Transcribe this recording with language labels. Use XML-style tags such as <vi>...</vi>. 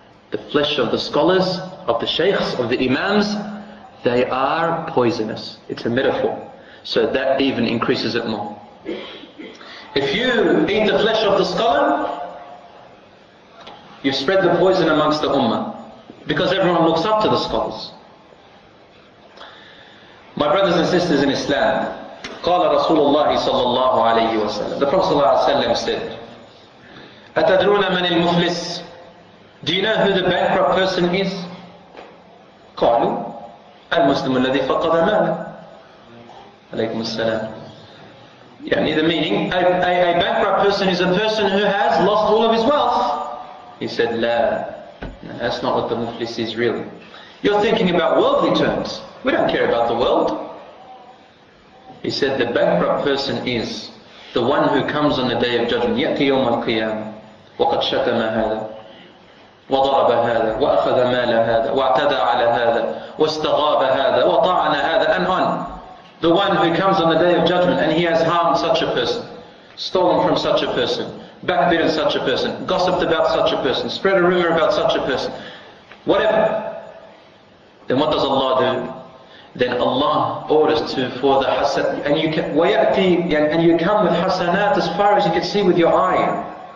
<en>The flesh of the scholars, of the sheikhs, of the imams, they are poisonous. It's a metaphor. So that even increases it more. If you eat the flesh of the scholar, you spread the poison amongst the ummah. Because everyone looks up to the scholars. My brothers and sisters in Islam,</en> <ar>قال رسول الله صلى الله عليه وسلم,</ar> <en>the Prophet</en> <ar>صلى الله عليه وسلم</ar> <en>said,</en> <ar>أتدرون من المفلس. Do you know who the bankrupt person is? قالوا المسلم الذي فقد ماله. عليكم السلام. يعني</ar> <en>the meaning, a bankrupt person is a person who has lost all of his wealth. He said,</en> <ar>لا.</ar> <en>No, that's not what the muflis is really. You're thinking about worldly terms. We don't care about the world. He said, the bankrupt person is the one who comes on the day of judgment.</en> <ar>يأتي يوم القيامة وقد شتم هذا. وضرب هذا وأخذ مال هذا واعتدى على هذا واستغاب هذا وطعن هذا</ar> <en>and on. The one who comes on the day of judgment and he has harmed such a person, stolen from such a person, backbitten such a person, gossiped about such a person, spread a rumor about such a person, whatever. Then what does Allah do? Then Allah orders to for the hasad, and you can wayati, and you come with hasanat as far as you can see with your eye.</en>